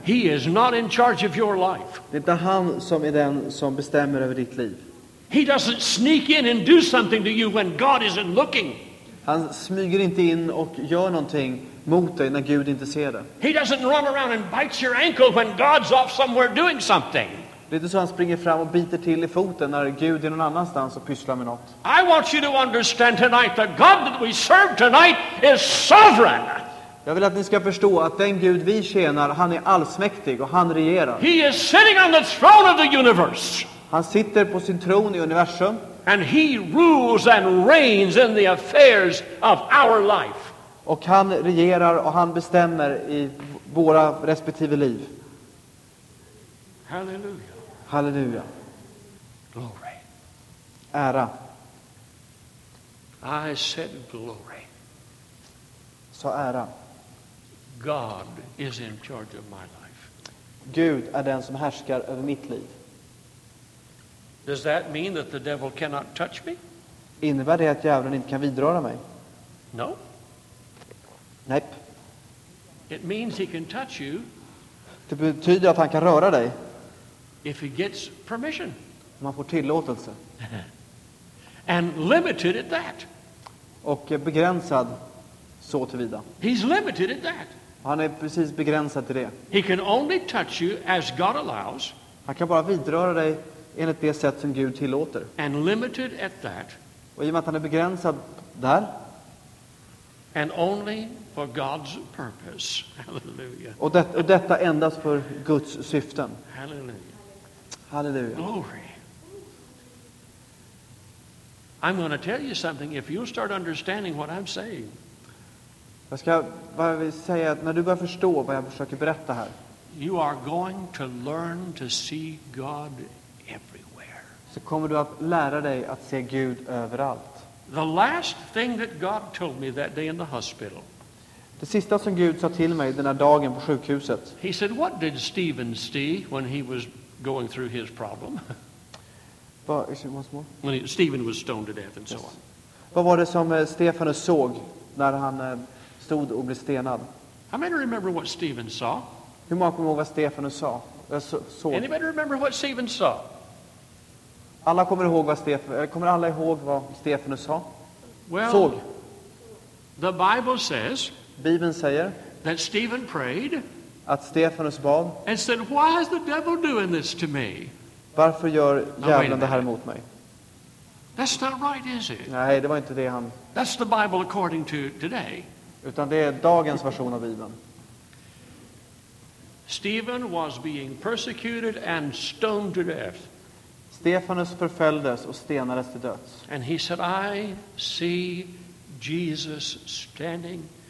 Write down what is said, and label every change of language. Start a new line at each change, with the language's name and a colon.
English: He is not in charge of your life.
Swedish: Det är inte han som är den som bestämmer över ditt liv.
English: He doesn't sneak in and do something to you when God isn't looking.
Swedish: Han smyger inte in och gör någonting mot dig när Gud inte ser det.
English: He doesn't run around and bite your ankle when God's off somewhere doing something.
Swedish: Det är inte så han springer fram och biter till i foten när Gud är någon annanstans och pysslar med något.
English: I want you to understand tonight that God that we serve tonight is sovereign.
Swedish: Jag vill att ni ska förstå att den Gud vi tjänar, han är allsmäktig och han regerar.
English: He is sitting on the throne of the universe.
Swedish: Han sitter på sin tron i universum.
English: And he rules and reigns in the affairs of our life.
Swedish: Och han regerar och han bestämmer i våra respektive liv.
English: Halleluja.
Swedish: Halleluja.
English: Glory.
Swedish: Ära.
English: I said glory.
Swedish: Så ära.
English: God is in charge of my life.
Swedish: Gud är den som härskar över mitt liv.
English: Does that mean that the devil cannot touch me?
Swedish: Innebär det att djävulen inte kan vidröra mig?
English: No.
Swedish: Nej.
English: It means he can touch you.
Swedish: Det betyder att han kan röra dig.
English: If he gets permission.
Swedish: Om han får tillåtelse.
English: And limited at that.
Swedish: Och begränsad så tillvida.
English: He's limited at that.
Swedish: Han är precis begränsad till det.
English: He can only touch you as God allows.
Swedish: Han kan bara vidröra dig enligt det sätt som Gud tillåter.
English: And limited at that.
Swedish: Och i och med att han är begränsad där.
English: And only for God's purpose. Halleluja.
Swedish: Och detta endast för Guds syften. Halleluja. Halleluja.
English: Glory. I'm going to tell you something if you start understanding what I'm saying.
Swedish: Jag ska bara säga att när du börjar förstå vad jag försöker berätta här.
English: You are going to learn to see God everywhere.
Swedish: Så kommer du att lära dig att se Gud överallt.
English: The last thing that God told me that day in the hospital.
Swedish: Det sista som Gud sa till mig den här dagen på sjukhuset.
English: He said, "What did Stephen see when he was going through his problem?" But is it once more? When Stephen was stoned to death and yes. So on.
Swedish: Vad var det som Stefanus såg när han stod och blev stenad?
English: How many remember what Stephen saw?
Swedish: Hur många kommer ihåg vad Stefanus sa?
English: Anybody remember what Stephen saw?
Swedish: Alla kommer ihåg vad Stefanus kommer alla ihåg vad Stefanus sa?
English: Well,
Swedish: såg.
English: The Bible says.
Swedish: Bibeln säger
English: that Stephen prayed.
Swedish: Att Stefanus bad.
English: And said, "Why is the devil doing this to me?"
Swedish: Varför gör djävulen det här mot mig?
English: That's not right, is it?
Swedish: Nej, det var inte det han.
English: That's the Bible according to today.
Swedish: Utan det är dagens version av Bibeln.
English: Stephen was being persecuted and stoned to death.
Swedish: Stefanus förföljdes och stenades till döds.
English: And he said, "I see Jesus standing."